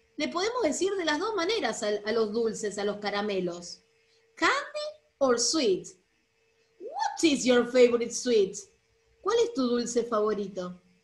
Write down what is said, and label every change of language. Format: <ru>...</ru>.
<es>Le podemos decir de las dos maneras a los dulces, a los caramelos.</es> <en>Candy or sweet. What is your favorite sweet?</en> <es>¿Cuál es tu dulce favorito?</es>